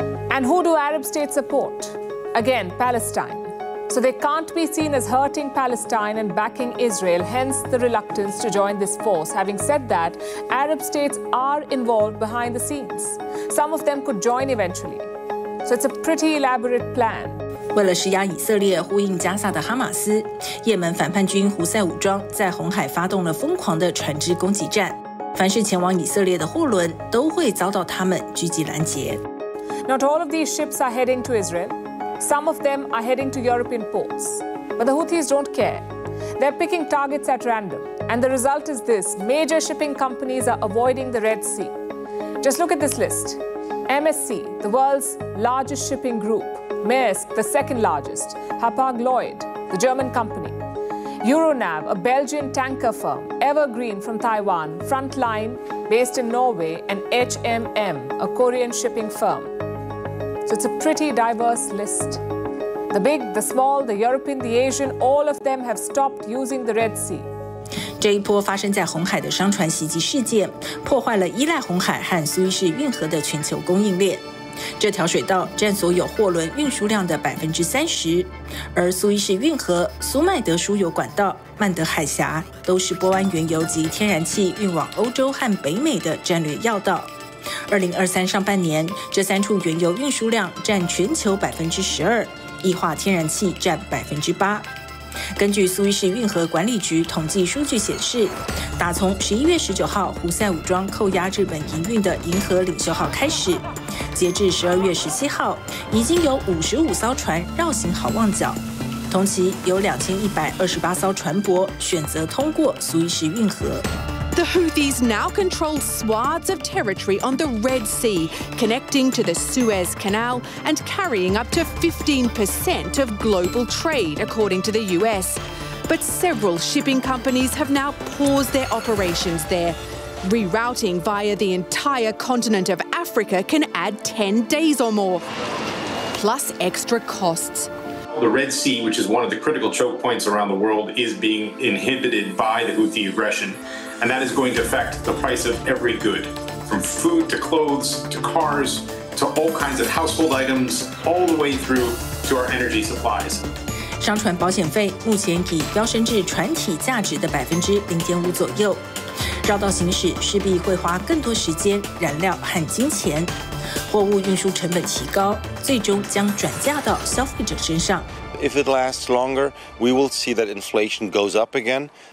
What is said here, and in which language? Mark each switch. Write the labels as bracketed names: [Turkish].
[English] And who do Arab states support? Again, Palestine. So they can't be seen as hurting Palestine and backing Israel, hence the reluctance to join this force. Having said that, Arab states are involved behind the scenes. Some of them could join eventually. So it's a pretty elaborate plan. [Chinese] 为了施压以色列，呼应加萨的哈马斯，也门反叛军胡塞武装在红海发动了疯狂的船只攻击战。凡是前往以色列的货轮都会遭到他们狙击拦截。 [English] Not all of these ships are heading to Israel. Some of them are heading to European ports. But the Houthis don't care. They're picking targets at random. And the result is this. Major shipping companies are avoiding the Red Sea. Just look at this list. MSC, the world's largest shipping group. Maersk, the second largest. Hapag-Lloyd, the German company. Euronav, a Belgian tanker firm. Evergreen from Taiwan. Frontline, based in Norway. And HMM, a Korean shipping firm. So it's a pretty diverse list. The big, the small, the European, the Asian, all of them have stopped using the Red Sea. [Chinese] 这一波发生在红海的商船袭击事件，破坏了依赖红海和苏伊士运河的全球供应链。这条水道占所有货轮运输量的30%，而苏伊士运河、苏麦德输油管道、曼德海峡都是波湾原油及天然气运往欧洲和北美的战略要道。 2023上半年，这三处原油运输量占全球12%，液化天然气占8%。根据苏伊士运河管理局统计数据显示，打从11月19号胡塞武装扣押日本营运的银河领袖号开始，截至12月17号，已经有55艘船绕行好望角，同期有2128艘船舶选择通过苏伊士运河。 [English] The Houthis now control swaths of territory on the Red Sea, connecting to the Suez Canal and carrying up to 15% of global trade, according to the US. But several shipping companies have now paused their operations there. Rerouting via the entire continent of Africa can add 10 days or more, plus extra costs. The Red Sea, which is one of the critical choke points around the world, is being inhibited by the Houthi aggression. And that is going to affect the price of every good, from food to clothes to cars to all kinds of household items, all the way through to our energy supplies. [Chinese] 商船保险费目前已飙升至船体价值的0.5%左右。绕道行驶势必会花更多时间、燃料和金钱。货物运输成本提高，最终将转嫁到消费者身上。 [English] If it lasts longer, we will see that inflation goes up again.